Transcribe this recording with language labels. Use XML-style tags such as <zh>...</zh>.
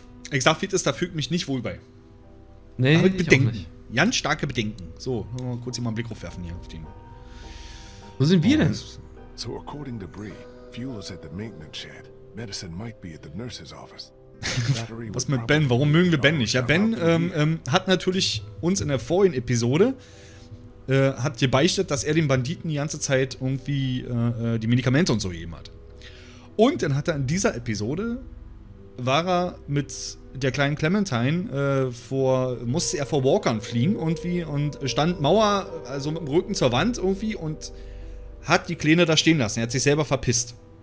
<de>Exafit ist, da fügt mich nicht wohl bei. Nee, aber Bedenken. Ich auch nicht. Ganz starke Bedenken. So, mal kurz hier mal einen Blick werfen hier auf den. Wo sind wir denn?</de> <en>So, according to Bree, fuel is at the maintenance shed. medicine might be at the nurse's office.</en> <de>Was mit Ben? Warum mögen wir Ben nicht? Ja, Ben hat natürlich uns in der vorigen Episode hat gebeichtet, dass er den Banditen die ganze Zeit irgendwie die Medikamente und so gegeben hat. Und dann hat er in dieser Episode war er mit der kleinen Clementine musste er vor Walkern fliehen irgendwie und stand Mauer, also mit dem Rücken zur Wand irgendwie und hat die Kleine da stehen lassen. Er hat sich selber verpisst.</de>